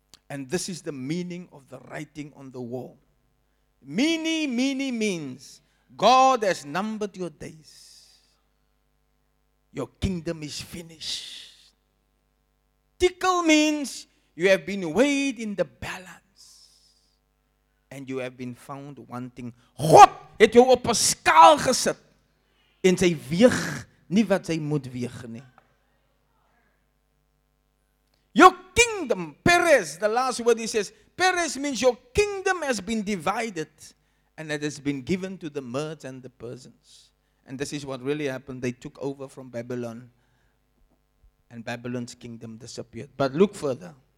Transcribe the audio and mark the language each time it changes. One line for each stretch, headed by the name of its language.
English: And this is the meaning of the writing on the wall. Meeny, meeny means God has numbered your days. Your kingdom is finished. Tickle means you have been weighed in the balance. And you have been found wanting.
Afrikaans: God het jou op 'n skaal gesit. En sy weeg nie wat sy moet weeg nie.
English: Your kingdom, peres, the last word he says, peres means your kingdom has been divided and it has been given to the Medes and the Persians. And this is what really happened. They took over from Babylon and Babylon's kingdom disappeared. But look further.